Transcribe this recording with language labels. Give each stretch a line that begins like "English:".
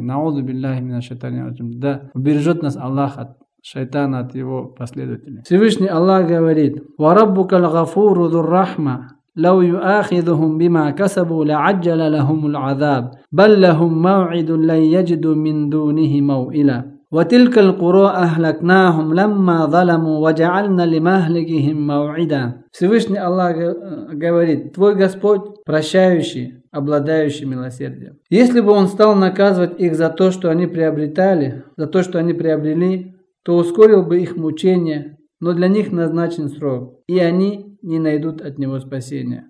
Arabic: Наузу биллахи минаш шайтани раджим.
Russian: Да, убережет нас Аллах от шайтана, от его последователей. Всевышний Аллах говорит:
Arabic: «Ва раббука л-гафуру дур-рахма, лау юахидухум бима касабу ла-аджала лахумул азаб, бал лахум мау'иду лан яджиду мин дунихи мау'ила». وتلك القرى أهلكناهم لما ظلموا وجعلنا لمهلكهم موعدا.
Russian: Всевышний Аллах говорит, твой Господь прощающий, обладающий милосердием. Если бы Он стал наказывать их за то, что они приобретали, за то, что они приобрели, то ускорил бы их мучения, но для них назначен срок, и они не найдут от него спасения.